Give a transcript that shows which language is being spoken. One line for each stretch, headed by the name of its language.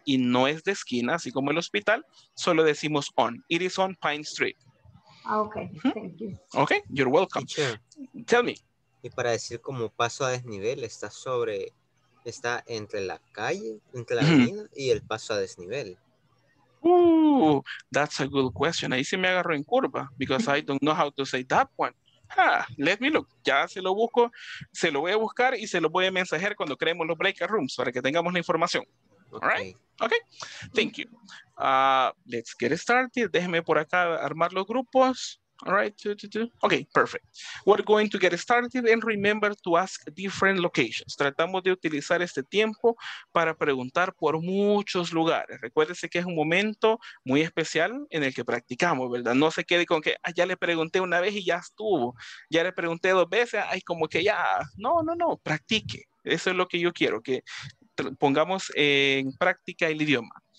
Spanish: Y no es de esquina, así como el hospital, solo decimos on.
English: It is on Pine Street. Okay, thank you. Okay, you're welcome. Teacher, tell me.
Spanish: Y para decir como paso a desnivel, está entre la calle, entre la avenida y el paso a desnivel.
English: Ooh, that's a good question.
Spanish: Ahí se me agarró en curva,
English: because I don't know how to say that one. Let me look.
Spanish: Ya se lo busco, se lo voy a buscar y se lo voy a mensajer cuando creemos los breakout rooms para que tengamos la información.
English: All right. Okay. Thank you. Let's get started.
Spanish: Déjeme por acá armar los grupos.
English: All right. Okay, perfect. We're going to get started and remember to ask different locations.
Spanish: Tratamos de utilizar este tiempo para preguntar por muchos lugares. Recuérdese que es un momento muy especial en el que practicamos, ¿verdad? No se quede con que ah, ya le pregunté una vez y ya estuvo. Ya le pregunté dos veces, ay, como que ya. No, no, no, practique. Eso es lo que yo quiero, que pongamos en práctica el idioma.